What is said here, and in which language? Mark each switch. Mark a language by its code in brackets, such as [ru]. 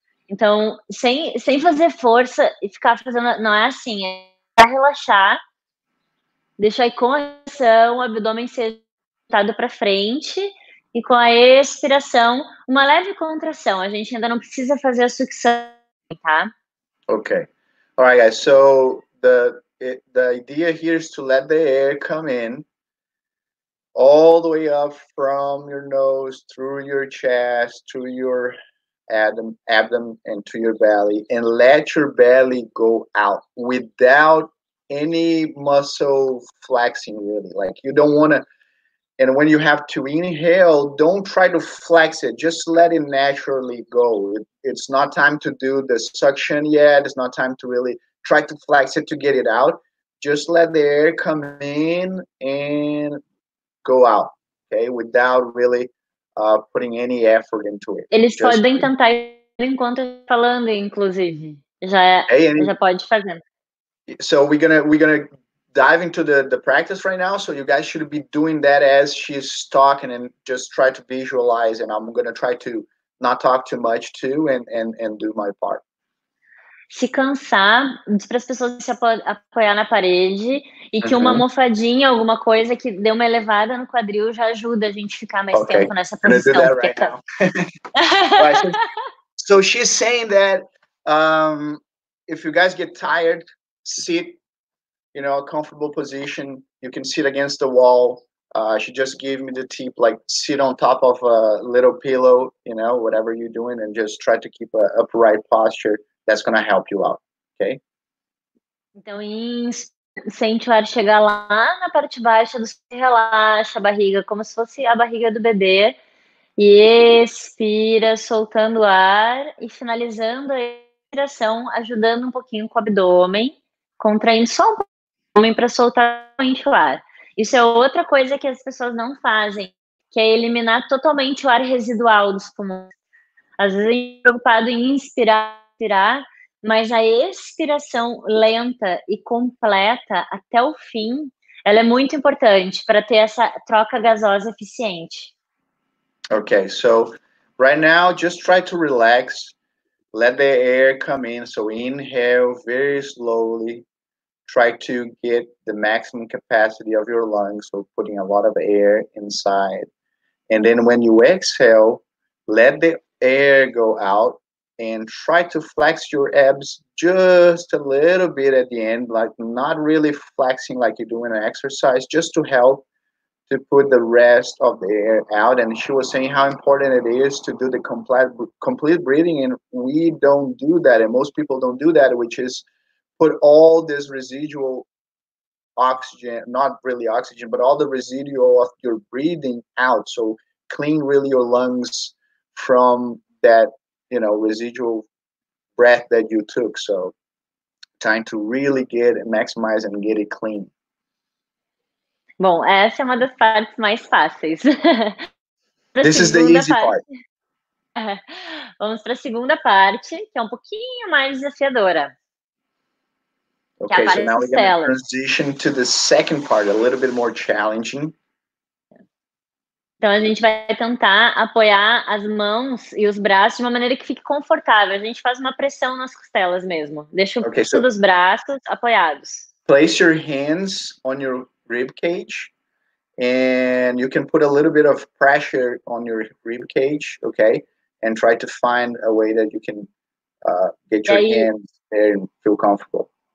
[pt] Então, sem fazer força e ficar fazendo... Não é assim, é para relaxar, deixar aí com a respiração o abdômen ser voltado para frente... E com a expiração, uma leve contração. A gente ainda não precisa fazer a sucção, tá? [en] Okay. All right, guys. So the idea here is to let the air come in all the way up from your nose, through your chest, to your abdomen, and to your belly, and let your belly go out without any muscle flexing, really. Like, you don't want to... And when you have to inhale, don't try to flex it. Just let it naturally go. It's not time to do the suction yet. It's not time to really try to flex it to get it out. Just let the air come in and go out, okay? Without really putting any effort into it. [pt] Eles just podem tentar enquanto falando, inclusive. Já pode fazer. [en] So we're gonna dive into the practice right now. So you guys should be doing that as she's talking and just try to visualize. And I'm going to try to not talk too much too and do my part. [pt] Se cansar, diz para as pessoas se apoiar na parede e que uma almofadinha, alguma coisa que dê uma elevada no quadril já ajuda a gente ficar mais [en] okay. [pt] tempo nessa posição. [en] Right [pt] porque... [en] so she's saying that if you guys get tired, sit. You know, a comfortable position. You can sit against the wall. She just gave me the tip, like sit on top of a little pillow, you know, whatever you're doing, and just try to keep an upright posture. That's going to help you out, okay? [pt] Então, sente o ar chegar lá na parte baixa, você relaxa a barriga, como se fosse a barriga do bebê, e expira, soltando o ar, e finalizando a expiração, ajudando um pouquinho com o abdômen, contraindo só um homem para soltar o ar. Isso é outra coisa que as pessoas não fazem, que é eliminar totalmente o ar residual dos pulmões. Às vezes a gente é preocupado em inspirar, mas a expiração lenta e completa até o fim, ela é muito importante para ter essa troca gasosa eficiente. [en] Okay, so right now just try to relax. Let the air come in, so inhale very slowly. Try to get the maximum capacity of your lungs, so putting a lot of air inside. And then when you exhale, let the air go out and try to flex your abs just a little bit at the end, like not really flexing like you're doing an exercise, just to help to put the rest of the air out. And she was saying how important it is to do the complete breathing, and we don't do that, and most people don't do that, which is put all this residual oxygen, not really oxygen, but all the residual of your breathing out. So clean really your lungs from that, you know, residual breath that you took. So time to really get it maximized and get it clean. [pt] Bom, essa é uma das partes mais fáceis. [en] This is the easy part. [pt] Vamos para a segunda parte, que é um pouquinho mais desafiadora. [en] Okay, so now we're going to transition to the second part, a little bit more challenging. [pt] Então, a gente vai tentar apoiar as mãos e os braços de uma maneira que fique confortável. A gente faz uma pressão nas costelas mesmo. Deixa o [en] Okay, [pt] pulso [en] so [pt] dos braços apoiados. [en] place your hands on your rib cage and you can put a little bit of pressure on your rib cage, okay? And try to find a way that you can get your hands there and feel comfortable.